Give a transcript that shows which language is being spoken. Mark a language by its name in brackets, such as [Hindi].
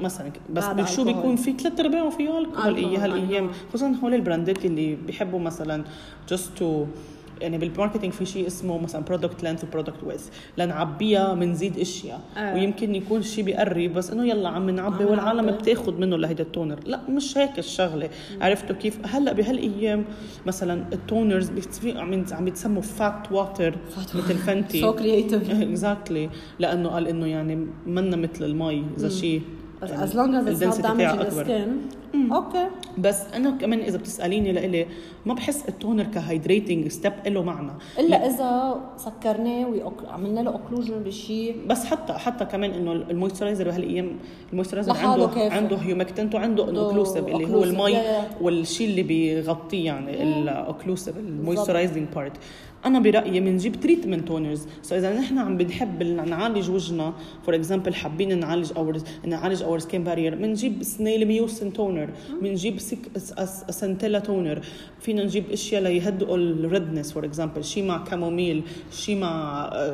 [Arabic] مثلا بس شو بيكون في 3 ارباع فيه الكحول هالايام خصوصا هول البراندات اللي بيحبوا مثلا [English] just to [Arabic] يعني بالماركتينج في شيء اسمه مثلا [English] product length [Arabic] وبرودكت ويث لنعبيها بنزيد اشياء ويمكن يكون شيء بقرب بس انه يلا عم نعبي والعالم بتاخذ منه لهيدا التونر لا مش هيك الشغله عرفتوا كيف هلا بهالايام مثلا التونرز عم يتسموا [English] fat water [Arabic] مثل فنتي [English] so creative exactly [Arabic] لانه قال انه يعني منا مثل المي اذا شيء [English] as long as it's not damaging the skin okay [Arabic] بس انا كمان اذا بتساليني لإلي ما بحس التونر كهايدريتنج ستيب له معنى الا اذا سكرناه وعملنا له اوكلوجن بشيء بس حتى كمان انه المويسترايزر بهالايام المويسترايزر عنده هيومكتنت وعنده اوكلوسيف اللي هو المي والشيء اللي بيغطيه يعني الاوكلوسيف المويسترايزنج بارت انا برايي بنجيب تريتمنت تونرز سو اذا نحن عم بنحب نعالج وجهنا [English] for example [Arabic] حابين نعالج [English] our skin barrier [Arabic] بنجيب سنيل ميوسن تونر بنجيب سنتيلا تونر فينا نجيب اشياء ليهدئوا الريدنس فور اكزامبل شيء مع كاموميل شيء مع